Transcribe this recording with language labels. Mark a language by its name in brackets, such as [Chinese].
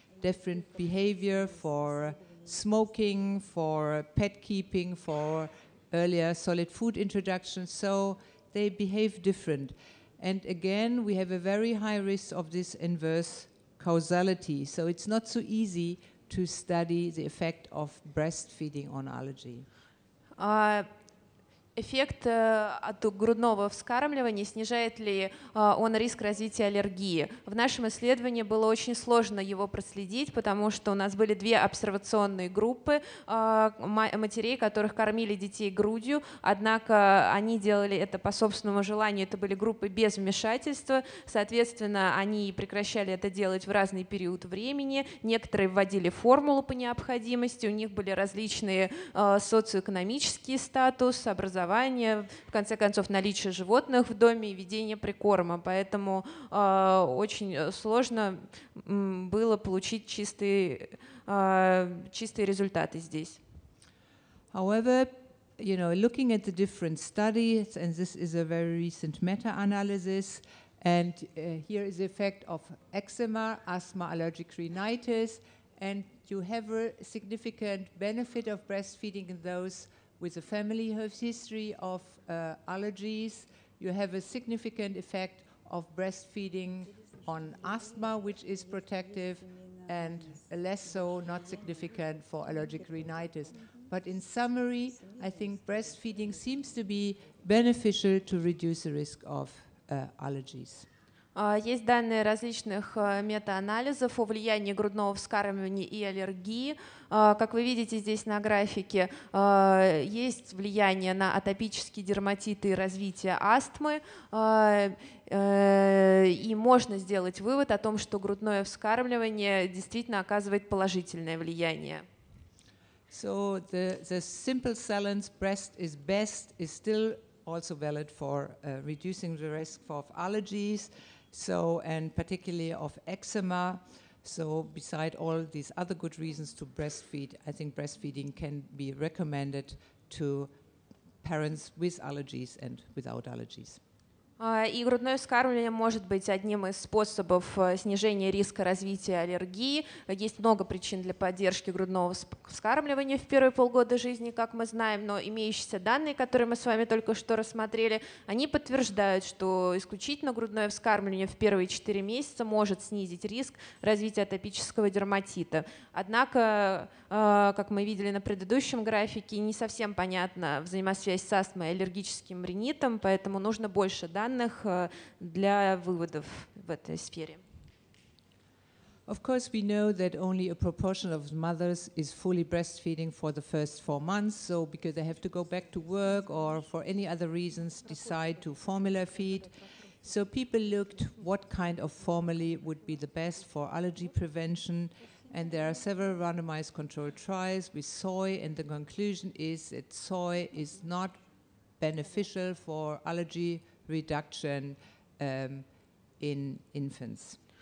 [English] Different behavior for smoking, for pet keeping, for earlier solid food introduction, so they behave different. And again, we have a very high risk of this inverse causality, so it's not so easy to study the effect of breastfeeding on allergy. [Russian] эффект от грудного вскармливания, снижает ли он риск развития аллергии? В нашем исследовании было очень сложно его проследить, потому что у нас были две обсервационные группы матерей, которых кормили детей грудью, однако они делали это по собственному желанию, это были группы без вмешательства, соответственно, они прекращали это делать в разный период времени, некоторые вводили формулу по необходимости, у них были различные социоэкономические статус, образование, в конце концов, наличие животных в доме и ведение прикорма. Поэтому очень сложно было получить чистые результаты здесь. [English] However, you know, looking at the different studies, and this is a very recent meta-analysis, and here is the effect of eczema, asthma, allergic rhinitis, and you have a significant benefit of breastfeeding in those with a family history of allergies, you have a significant effect of breastfeeding on asthma, which is protective, and less so, not significant for allergic rhinitis. But in summary, I think breastfeeding seems to be beneficial to reduce the risk of allergies. [Russian] Есть данные различных метаанализов о влиянии грудного вскармливания и аллергии. Как вы видите здесь на графике, есть влияние на атопические дерматиты и развитие астмы. И можно сделать вывод о том, что грудное вскармливание действительно оказывает положительное влияние. [English] So the simple silence breast is best is still also valid for reducing the risk of allergies. So, and particularly of eczema. So, beside all these other good reasons to breastfeed, I think breastfeeding can be recommended to parents with allergies and without allergies. [Russian] И грудное вскармливание может быть одним из способов снижения риска развития аллергии. Есть много причин для поддержки грудного вскармливания в первые полгода жизни, как мы знаем, но имеющиеся данные, которые мы с вами только что рассмотрели, они подтверждают, что исключительно грудное вскармливание в первые 4 месяца может снизить риск развития атопического дерматита. Однако, как мы видели на предыдущем графике, не совсем понятна взаимосвязь с астмой и аллергическим ринитом, поэтому нужно больше данных для выводов в этой сфере. [English] Of course, we know that only a proportion of mothers is fully breastfeeding for the first 4 months, so because they have to go back to work or for any other reasons decide to formula feed. So people looked what kind of formula would be the best for allergy prevention, and there are several randomized controlled trials with soy, and the conclusion is that soy is not beneficial for allergy reduction in infants.